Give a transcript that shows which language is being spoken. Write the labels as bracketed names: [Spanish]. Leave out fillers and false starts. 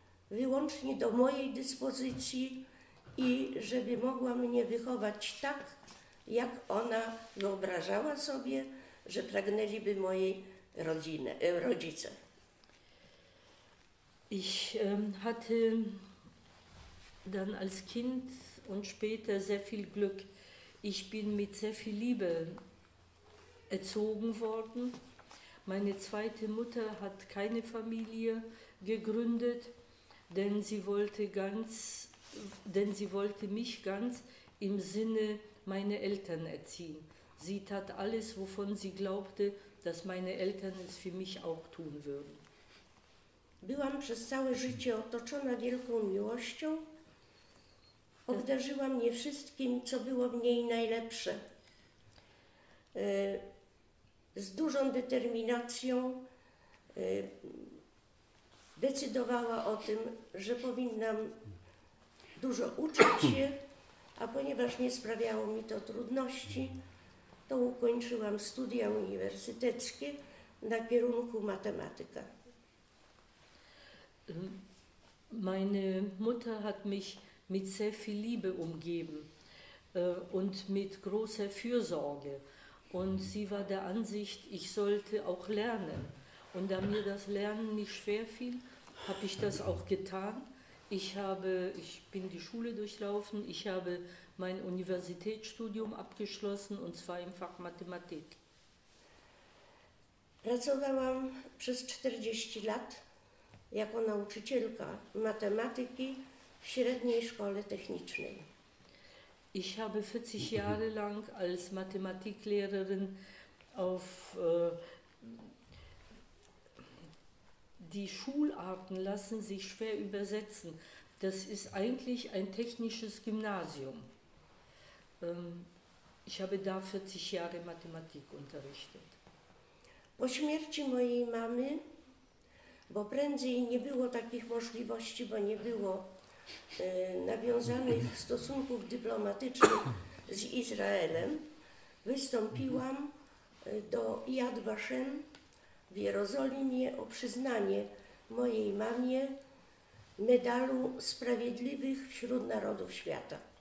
[Polish] wyłącznie do mojej dyspozycji i żeby mogła mnie wychować tak, jak ona wyobrażała sobie, że pragnęliby mojej rodziny, rodzice. [German] Ich hatte dann als Kind und später sehr viel Glück. Ich bin mit sehr viel Liebe erzogen worden. Meine zweite Mutter hat keine Familie gegründet, denn sie wollte mich ganz im Sinne meiner Eltern erziehen. Sie tat alles, wovon sie glaubte, dass meine Eltern es für mich auch tun würden. [Polish] Byłam przez całe życie otoczona wielką miłością. Obdarzyła mnie wszystkim, co było w niej najlepsze. Z dużą determinacją decydowała o tym, że powinnam dużo uczyć się, a ponieważ nie sprawiało mi to trudności, to ukończyłam studia uniwersyteckie na kierunku matematyka. [German] Meine Mutter hat mich mit sehr viel Liebe umgeben und mit großer Fürsorge. Und sie war der Ansicht, ich sollte auch lernen. Und da mir das Lernen nicht schwer fiel, habe ich das auch getan. Ich bin die Schule durchlaufen, ich habe mein Universitätsstudium abgeschlossen und zwar im Fach Mathematik. [Polish] Pracowałam przez 40 lat jako nauczycielka matematyki w średniej szkole technicznej. [German] Ich habe 40 Jahre lang als Mathematiklehrerin auf die Schularten lassen sich schwer übersetzen. Das ist eigentlich ein technisches Gymnasium. Ich habe da 40 Jahre Mathematik unterrichtet. [Polish] Po śmierci mojej mamy, bo prędzej nie było takich możliwości, bo nie było nawiązanych stosunków dyplomatycznych z Izraelem, wystąpiłam do Yad Vashem w Jerozolimie o przyznanie mojej mamie medalu Sprawiedliwych wśród Narodów Świata.